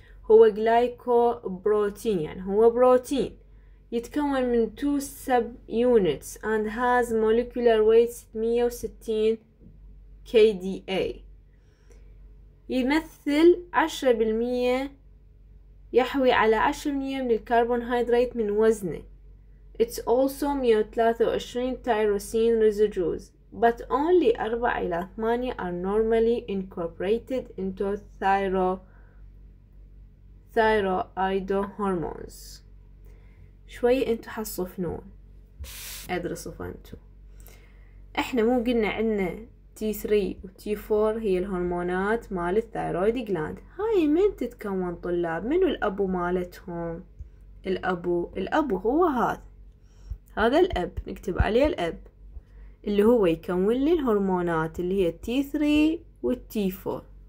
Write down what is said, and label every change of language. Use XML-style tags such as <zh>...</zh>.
<ar>هو جلايكو بروتين، يعني هو بروتين يتكون من 2 سب يونتس</ar> <en>and has molecular weight 160 kDa.</en> <ar>يمثل 10%، يحوي على 10% من الكربون هيدريت من وزنه.</ar> <en>It's also 123 tyrosine residues but only 4 إلى 8 are normally incorporated into thyroid hormones.</en> <ar>شوي انتو حصفنون، ادري صفنتو. احنا مو قلنا عندنا T3 وT4 هي الهرمونات مال الثايرويد جلاند. هاي من تتكون طلاب؟ منو الابو مالتهم؟ الابو هو هذا الاب، نكتب عليه الاب اللي هو يكون لي الهرمونات اللي هي T3 والT4.</ar>